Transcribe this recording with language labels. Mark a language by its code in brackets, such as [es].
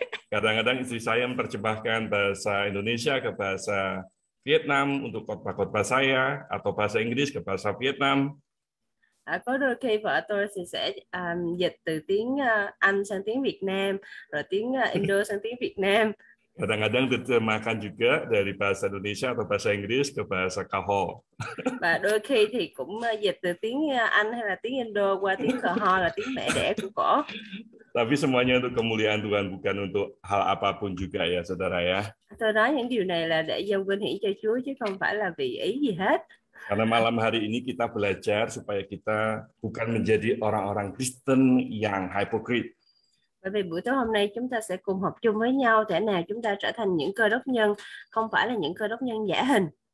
[id] Kadang-kadang istri saya mempercepatkan bahasa Indonesia ke bahasa Vietnam untuk khotbah-khotbah saya atau bahasa Inggris ke bahasa Vietnam. [vi] Có đôi khi vợ tôi sẽ dịch từ tiếng Anh sang tiếng Việt Nam, rồi tiếng Indo sang tiếng Việt Nam. [id] Kadang-kadang diterjemahkan juga dari bahasa Indonesia atau bahasa Inggris ke bahasa Kahol. [vi] Và đôi khi thì cũng dịch từ tiếng Anh hay là tiếng Indo qua tiếng Kahol là tiếng mẹ đẻ của cổ. [id] Tapi semuanya untuk kemuliaan Tuhan, bukan untuk hal apapun juga ya, saudara ya. [vi] Tôi nói những điều này là để dâng vinh hiển cho Chúa chứ không phải là vì ý gì hết. [id] Karena malam hari ini kita belajar supaya kita bukan menjadi orang-orang Kristen yang hipokrit. [vi] Bởi vì buổi tối hôm nay chúng ta sẽ cùng học chung với nhau thế nào chúng ta trở thành những cơ đốc nhân, không phải là những cơ đốc nhân giả hình.